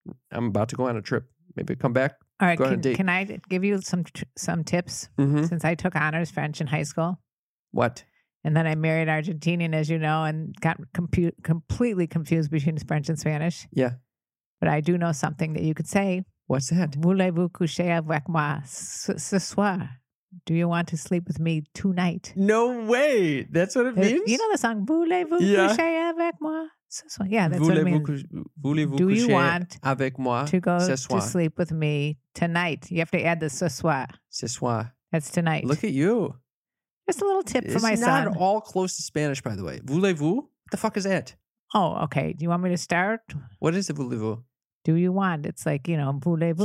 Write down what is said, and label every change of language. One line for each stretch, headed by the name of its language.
English: I'm about to go on a trip. Maybe come back. All right. Go on a date. Can I give you some tips? Mm-hmm. Since I took honors French in high school. What? And then I married Argentinian, as you know, and got completely confused between French and Spanish. Yeah. But I do know something that you could say. What's that?
French: Voulez-vous coucher avec moi ce soir?
English: Do you want to sleep with me tonight? No way. That's what it means? You know the song,
French: voulez-vous coucher avec moi ce soir?
English: Yeah, that's what it means.
French: Voulez-vous coucher avec moi ce soir?
English: To sleep with me tonight? You have to add the
French: ce soir. Ce soir.
English: That's tonight. Look at you. Just a little tip for my son. It's not all close to Spanish, by the way.
French: Voulez-vous?
English: What the fuck is that? Oh, okay. Do you want me to start? What is the
French: voulez-vous?
English: Do you want? It's like, you know,
French: voulez-vous.